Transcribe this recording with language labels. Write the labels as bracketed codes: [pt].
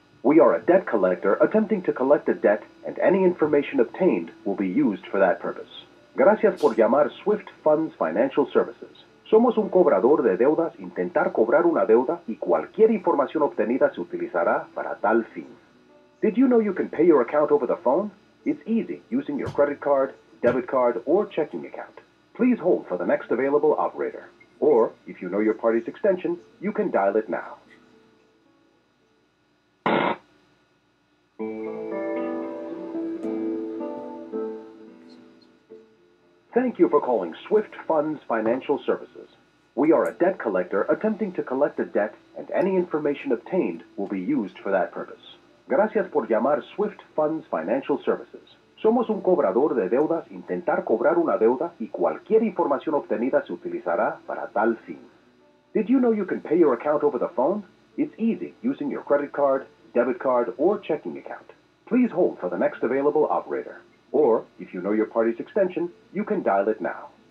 [en] We are a debt collector attempting to collect a debt, and any information obtained will be used for that purpose. [es] Gracias por llamar Swift Funds Financial Services. Somos un cobrador de deudas, intentar cobrar una deuda, y cualquier información obtenida se utilizará para tal fin. [en] Did you know you can pay your account over the phone? It's easy, using your credit card, debit card, or checking account. Please hold for the next available operator. Or, if you know your party's extension, you can dial it now. Thank you for calling Swift Funds Financial Services. We are a debt collector attempting to collect a debt, and any information obtained will be used for that purpose. [es] Gracias por llamar Swift Funds Financial Services. Somos un cobrador de deudas, intentar cobrar una deuda, y cualquier información obtenida se utilizará para tal fin. [en] Did you know you can pay your account over the phone? It's easy, using your credit card, debit card, or checking account. Please hold for the next available operator. Or, if you know your party's extension, you can dial it now.